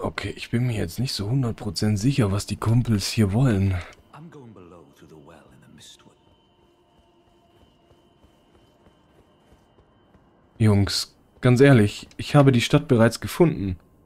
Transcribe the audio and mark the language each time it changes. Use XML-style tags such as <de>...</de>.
<de>Okay, ich bin mir jetzt nicht so 100% sicher, was die Kumpels hier wollen.</de> <en>I'm going below through the well in the Mistwood.</en> <de>Jungs, ganz ehrlich, ich habe die Stadt bereits gefunden.</de>